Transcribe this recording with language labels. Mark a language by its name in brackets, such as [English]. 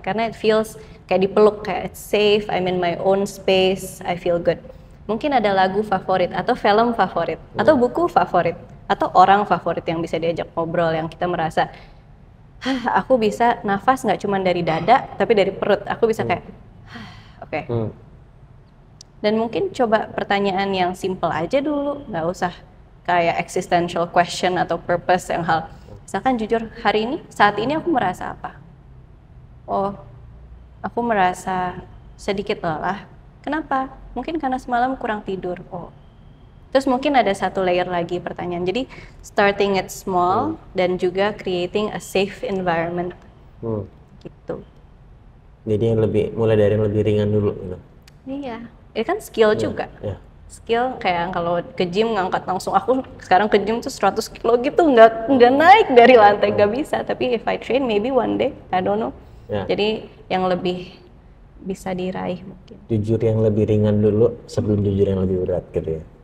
[Indonesian] Karena [English] it feels [Indonesian] kayak dipeluk, kayak [English] it's safe, I'm in my own space, I feel good. [Indonesian] Mungkin ada lagu favorit, atau film favorit, atau buku favorit, atau orang favorit yang bisa diajak ngobrol, yang kita merasa hah, aku bisa nafas gak cuma dari dada, tapi dari perut, aku bisa kayak oke. Dan mungkin coba pertanyaan yang simple aja dulu, gak usah kayak [English] existential question [Indonesian] atau purpose yang hal. Misalkan jujur, hari ini, saat ini aku merasa apa? Oh, aku merasa sedikit lelah. Kenapa? Mungkin karena semalam kurang tidur. Oh. Terus mungkin ada satu layer lagi pertanyaan. Jadi [English] starting it small [Indonesian] dan juga [English] creating a safe environment. [Indonesian] Gitu. Jadi yang lebih mulai dari yang lebih ringan dulu gitu. Iya, itu kan skill Iya, juga. iya. Skill kayak kalau ke gym ngangkat langsung, aku sekarang ke gym tuh 100 kilo gitu, nggak naik dari lantai, nggak bisa. [English] Tapi if I train, maybe one day, I don't know. [Indonesian] Ya. Jadi yang lebih bisa diraih mungkin. Jujur yang lebih ringan dulu sebelum jujur yang lebih berat gitu ya.